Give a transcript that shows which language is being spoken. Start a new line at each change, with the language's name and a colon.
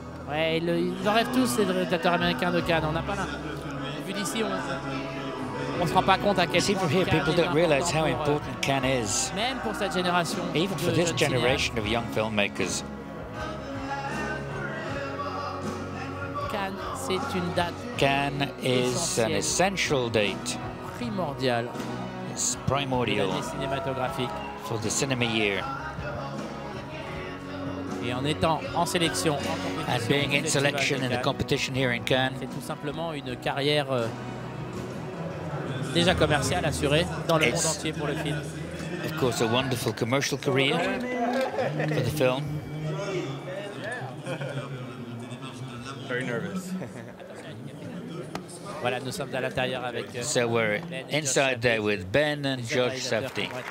French: Ouais, ils en rêvent tous, ces réalisateurs américains de Cannes. On n'a pas là. Vu d'ici, on se rend pas compte à quel point.
English: See from here, people don't realize how important Cannes is.
French: Même pour cette génération.
English: Even for this generation of young filmmakers.
French: Cannes, c'est une date.
English: Cannes is an essential date.
French: Primordial.
English: It's primordial.
French: Cinématographique.
English: For the cinema year.
French: Et en étant en sélection,
English: and being in selection in the competition here in Cannes,
French: c'est tout simplement une carrière déjà commerciale assurée dans le monde entier pour le film.
English: Of course, a wonderful commercial career for the film. Very nervous.
French: Voilà, nous sommes à l'intérieur avec.
English: So we're inside there with Ben and Josh Safdie.